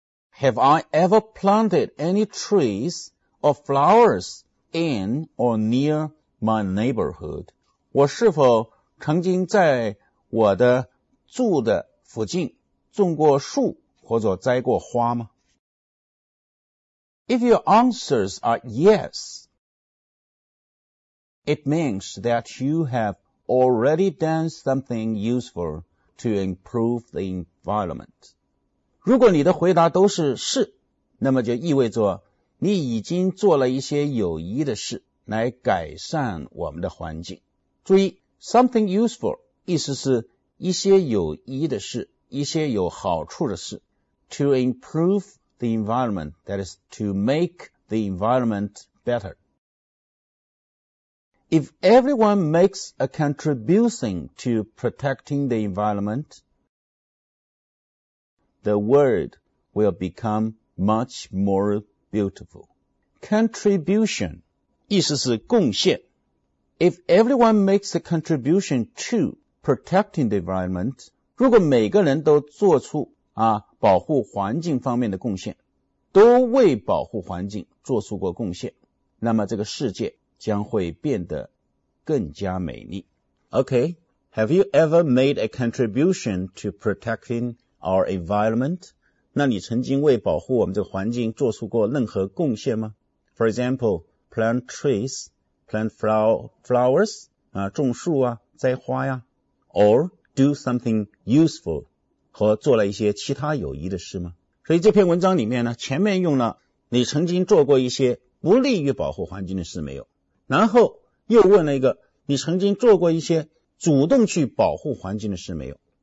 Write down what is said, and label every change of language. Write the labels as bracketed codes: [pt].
[en] Have I ever planted any trees or flowers in or near my neighborhood? [zh] 我是否曾经在我的住的附近种过树或者栽过花吗？ [en] If your answers are yes, it means that you have already done something useful to improve the environment. [zh] 如果你的回答都是是，那么就意味着你已经做了一些有益的事来改善我们的环境。注意 [en] something useful [zh] 意思是一些有益的事，一些有好处的事。 [en] To improve the environment, that is to make the environment better. If everyone makes a contribution to protecting the environment, the world will become much more beautiful. [zh] Contribution, 意思是贡献。 [en] If everyone makes a contribution toProtecting the environment, [zh] 如果每个人都做出啊保护环境方面的贡献，都为保护环境做出过贡献，那么这个世界将会变得更加美丽。 [en] Okay, have you ever made a contribution to protecting our environment? [zh] 那你曾经为保护我们这个环境做出过任何贡献吗？ [en] For example, plant trees, plant flowers, [zh] 啊种树啊栽花呀。 [en] Or do something useful, [zh] 和做了一些其他有益的事吗？所以这篇文章里面呢，前面用了你曾经做过一些不利于保护环境的事没有，然后又问了一个你曾经做过一些主动去保护环境的事没有。